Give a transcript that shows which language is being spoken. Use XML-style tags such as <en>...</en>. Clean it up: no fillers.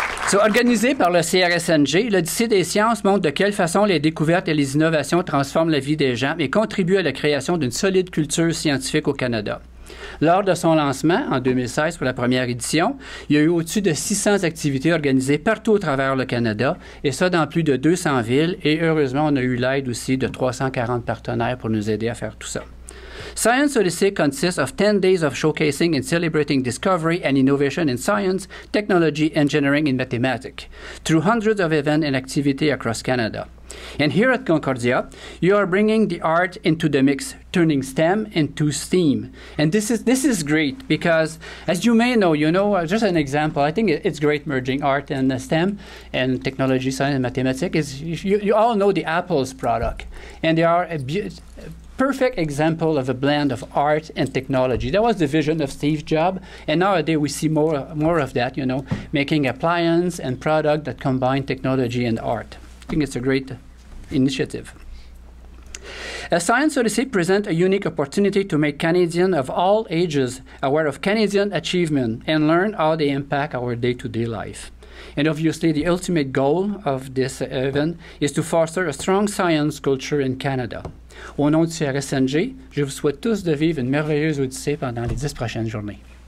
<fr>So, organisé par le CRSNG, l'Odyssée des sciences montre de quelle façon les découvertes et les innovations transforment la vie des gens et contribuent à la création d'une solide culture scientifique au Canada. Lors de son lancement, en 2016, pour la première édition, il y a eu au-dessus de 600 activités organisées partout au travers le Canada, et ça dans plus de 200 villes, et heureusement, on a eu l'aide aussi de 340 partenaires pour nous aider à faire tout ça.</fr> <en>Science Odyssey consists of 10 days of showcasing and celebrating discovery and innovation in science, technology, engineering, and mathematics through hundreds of events and activities across Canada. And here at Concordia, you are bringing the art into the mix, turning STEM into STEAM. And this is great because, as you may know, just an example, I think it's great merging art and STEM and technology, science, and mathematics. You all know the Apple's product, and they are perfect example of a blend of art and technology. That was the vision of Steve Jobs, and nowadays we see more of that, making appliance and product that combine technology and art. I think it's a great initiative. A Science Odyssey presents a unique opportunity to make Canadians of all ages aware of Canadian achievement and learn how they impact our day-to-day life. And obviously, the ultimate goal of this event is to foster a strong science culture in Canada.</en> <fr>Au nom du CRSNG, je vous souhaite tous de vivre une merveilleuse Odyssée pendant les 10 prochaines journées.</fr>